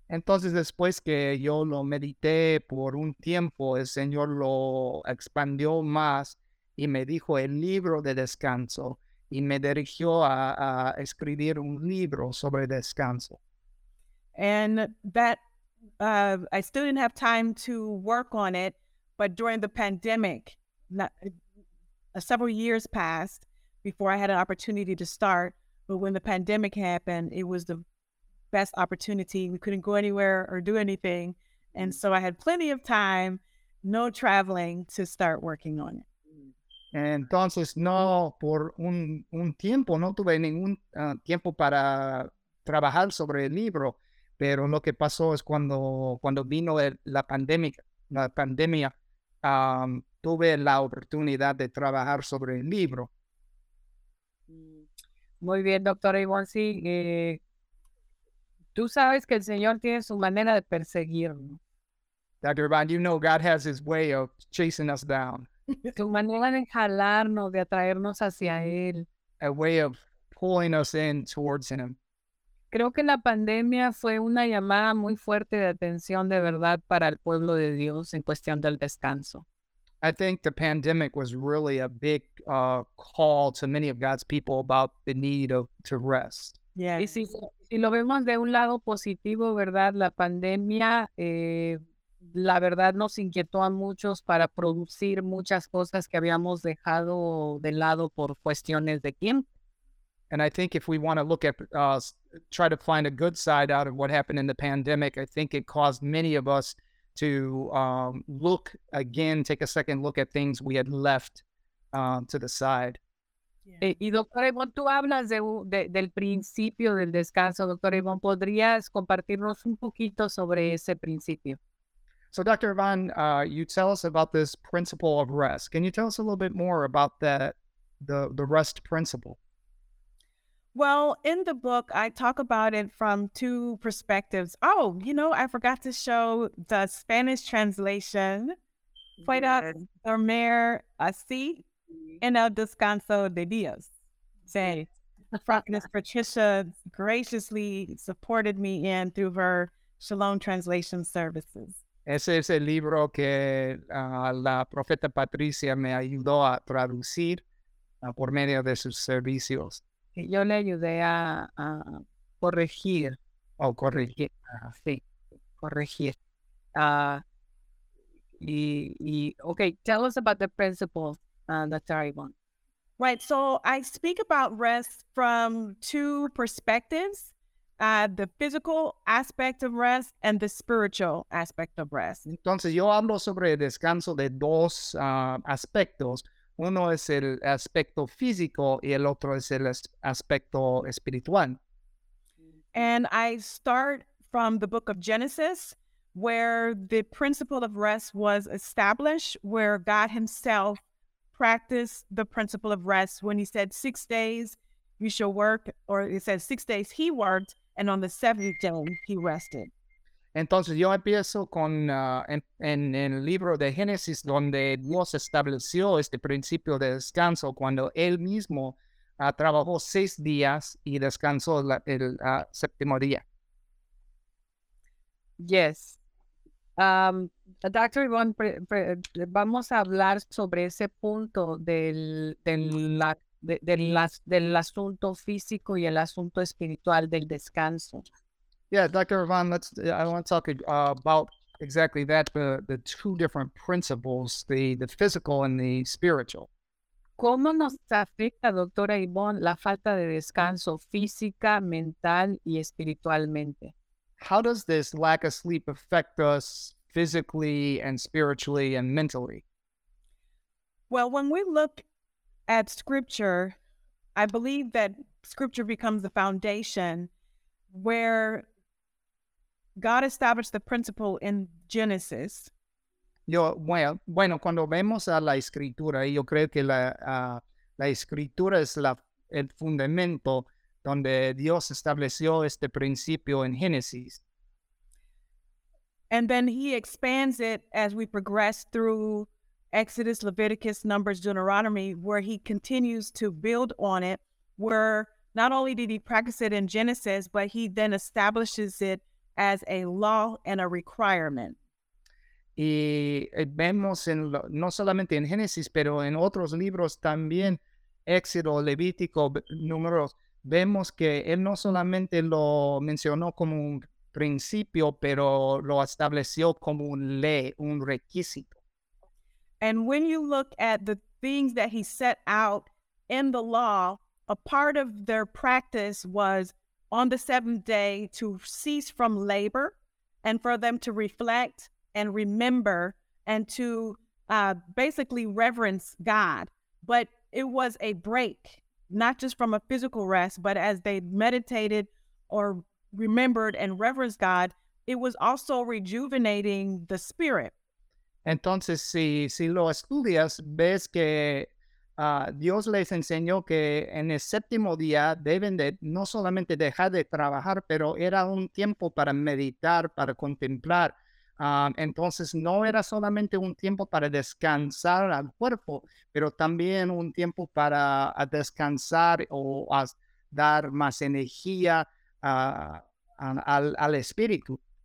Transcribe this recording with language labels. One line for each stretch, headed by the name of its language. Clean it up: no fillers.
Spanish: Entonces después que yo lo medité por un tiempo, el Señor lo expandió más y me dijo el libro de descanso, y me dirigió a escribir un libro sobre descanso.
English: And that, I still didn't have time to work on it, but during the pandemic, several years passed before I had an opportunity to start. But when the pandemic happened, it was the best opportunity. We couldn't go anywhere or do anything. And so I had plenty of time, no traveling, to start working on it.
Spanish: Entonces, no, por un tiempo, no tuve ningún tiempo para trabajar sobre el libro. Pero lo que pasó es cuando vino la pandemia, tuve la oportunidad de trabajar sobre el libro. Muy bien, doctora Ivonne. Sí, tú sabes que el Señor tiene su manera de perseguirnos.
English: Dr. Ivonne, you know God has his way of chasing us down.
Spanish: Su manera de jalarnos, de atraernos hacia él.
English: A way of pulling us in towards him.
Spanish: Creo que la pandemia fue una llamada muy fuerte de atención de verdad para el pueblo de Dios en cuestión del descanso.
English: I think the pandemic was really a big call to many of God's people about the need to rest. Yeah.
Spanish: Y si lo vemos de un lado positivo, ¿verdad? La pandemia, la verdad, nos inquietó a muchos para producir muchas cosas que habíamos dejado de lado por cuestiones de tiempo.
English: And I think if we want to look at, try to find a good side out of what happened in the pandemic, I think it caused many of us to look again, take a second look at things we had left to the side.
Spanish: Yeah. Y doctora Ivonne, tú hablas del principio del descanso. Doctora Ivonne, ¿podrías compartirnos un poquito sobre ese principio?
English: So Dr. Ivan, you tell us about this principle of rest. Can you tell us a little bit more about that, the rest principle? Well, in the book, I talk about it from two perspectives. Oh, you know, I forgot to show the Spanish translation.
Spanish: Pueda dormir así en el descanso de Dios.
English: Say, Miss Patricia graciously supported me in through her Shalom Translation Services.
Spanish: Ese es el libro que la profeta Patricia me ayudó a traducir por medio de sus servicios. Y yo le ayudé a corregir. Oh, corregir. Sí, corregir.
English: Okay, tell us about the principles, Dr. Ivan. Right, so I speak about rest from two perspectives, the physical aspect of rest and the spiritual aspect of rest.
Spanish: Entonces, yo hablo sobre el descanso de dos aspectos. Uno es el aspecto físico y el otro es el aspecto espiritual.
English: And I start from the book of Genesis, where the principle of rest was established, where God himself practiced the principle of rest when he said, 6 days you shall work, or it says 6 days he worked, and on the seventh day he rested.
Spanish: Entonces yo empiezo con en el libro de Génesis, donde Dios estableció este principio de descanso cuando él mismo trabajó 6 días y descansó el séptimo día.
English: Yes.
Spanish: Doctor Ivan, vamos a hablar sobre ese punto del asunto físico y el asunto espiritual del descanso.
English: Yeah, Dr. Ivan, I want to talk about exactly that, the two different principles, the physical and the spiritual.
Spanish: ¿Cómo nos afecta, doctora Ivonne, la falta de descanso física, mental y espiritualmente?
English: How does this lack of sleep affect us physically and spiritually and mentally? Well, when we look at scripture, I believe that scripture becomes the foundation where God established the principle in Genesis.
Spanish: Bueno, cuando vemos a la escritura, yo creo que la escritura es el fundamento donde Dios estableció este principio en Génesis.
English: And then he expands it as we progress through Exodus, Leviticus, Numbers, Deuteronomy, where he continues to build on it, where not only did he practice it in Genesis, but he then establishes it as a law and a requirement.
Spanish: Y vemos no solamente en Génesis, pero en otros libros también, Éxodo, Levítico, Números, vemos que él no solamente lo mencionó como un principio, pero lo estableció como un ley, un requisito.
English: And when you look at the things that he set out in the law, a part of their practice was on the seventh day to cease from labor and for them to reflect and remember and to basically reverence God. But it was a break, not just from a physical rest, but as they meditated or remembered and reverenced God, it was also rejuvenating the spirit.
Spanish: Entonces, si lo estudias, ves que Dios les enseñó que en el séptimo día deben de no solamente dejar de trabajar, pero era un tiempo para meditar, para contemplar. Entonces no era solamente un tiempo para descansar al cuerpo, pero también un tiempo para descansar o dar más energía al espíritu.